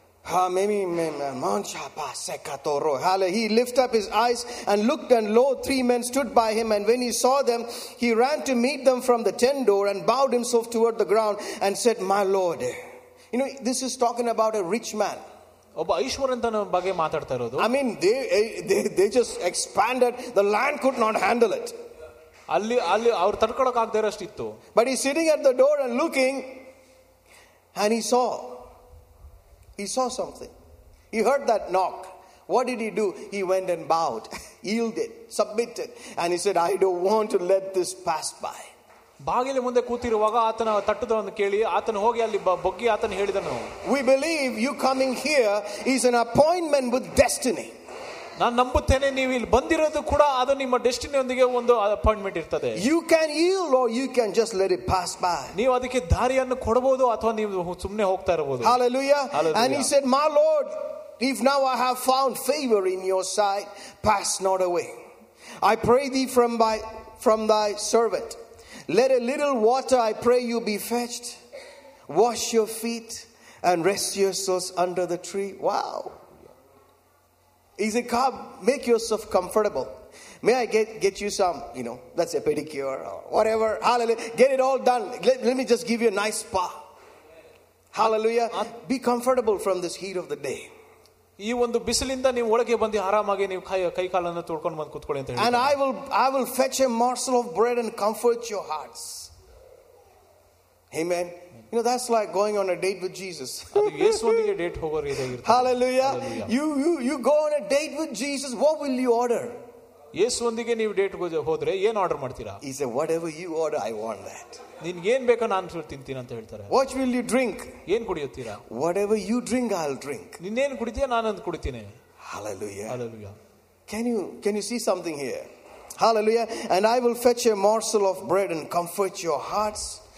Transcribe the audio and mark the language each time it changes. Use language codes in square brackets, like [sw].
[en] Ha memi mancha pa sekatoro. Hallelujah. He lifted up his eyes and looked, and lo, three men stood by him, and when he saw them, he ran to meet them from the tent door and bowed himself toward the ground and said, my lord. You know, this is talking about a rich man. [kn] ಒಬ್ಬ ಐಶ್ವರ್ಯಂತನ ಬಗ್ಗೆ ಮಾತಾಡ್ತಾ ಇರೋದು. [en] I mean, they just expanded, the land could not handle it. [kn] ಅಲ್ಲಿ ಅಲ್ಲಿ ಅವ್ರು ತಡ್ಕೊಳಕ್ ಆಗದೇ ಇರೋಷ್ಟಿತ್ತು. [en] But he's sitting at the door and looking, and he saw something. He heard that knock. What did he do? He went and bowed, yielded, submitted, and he said, I don't want to let this pass by. [kn] ಬಾಗಿಲ ಮುಂದೆ ಕೂತಿರುವಾಗ ಆತನ ತಟ್ಟದವನ್ನು ಕೇಳಿ ಆತನು ಹೋಗಿ ಅಲ್ಲಿ ಬಗ್ಗಿ ಆತನು ಹೇಳಿದನು. [en] We believe you coming here is an appointment with destiny. [kn] ನಾನು ನಂಬುತ್ತೇನೆ ನೀವು ಇಲ್ಲಿ ಬಂದಿರೋದು ಕೂಡ ಅದು ನಿಮ್ಮ ಡೆಸ್ಟಿನಿಯೊಂದಿಗೆ ಒಂದು ಅಪಾಯಿಂಟ್ಮೆಂಟ್ ಇರ್ತದೆ. [en] You can yield or you can just let it pass by. [kn] ನೀವು ಅದಕ್ಕೆ ದಾರಿಯನ್ನು ಕೊಡಬಹುದು ಅಥವಾ ನೀವು ಸುಮ್ಮನೆ ಹೋಗ್ತಾ ಇರಬಹುದು. [en] Hallelujah. And he said, my Lord, if now I have found favor in your sight, pass not away. I pray thee from thy servant. Let a little water, I pray you, be fetched. Wash your feet and rest yourselves under the tree. Wow. He said, come, make yourself comfortable. May I get you some, you know, let's say pedicure or whatever. Hallelujah. Get it all done. Let me just give you a nice spa. Hallelujah. Be comfortable from this heat of the day. [kn] ಈ ಒಂದು ಬಿಸಿಲಿಂದ ನೀವು ಒಳಗೆ ಬಂದು ಆರಾಮಾಗಿ ನೀವು ಕೈಕಾಲನ್ನು ತೊಳ್ಕೊಂಡು ಬಂದು ಕೂತ್ಕೊಳ್ಳಿ ಅಂತ ಹೇಳಿ. [en] I will fetch a morsel of bread and comfort your hearts. Amen. You know, that's like going on a date with Jesus. [kn] ಯೇಸುವಿಗೆ ಡೇಟ್ ಹೋಗೋ ರೀತಿ ಇರುತ್ತೆ. [en] Hallelujah. You go on a date with Jesus. What will you order? [kn] ಯೇಸುವಿಗೆ ನೀವು date ಹೋದ್ರೆ ಏನು order ಮಾಡ್ತೀರಾ? [en] He said, whatever you order, I want that. [kn] ನಿನ್ಗೆ ಏನು ಬೇಕೋ ನಾನು ತಿಂತೀನಿ ಅಂತ ಹೇಳ್ತಾರೆ. [en] What will you drink? [kn] ಏನು ಕುಡಿಯುತ್ತೀರಾ? [en] Whatever you drink, I'll drink. [kn] ನಿನ್ನೇನು ಕುಡಿತೀಯ ನಾನು ಅದನ್ನು ಕುಡಿತೀನಿ. [en] Hallelujah. Hallelujah. Can you see something here? Hallelujah. And I will fetch a morsel of bread and comfort your hearts.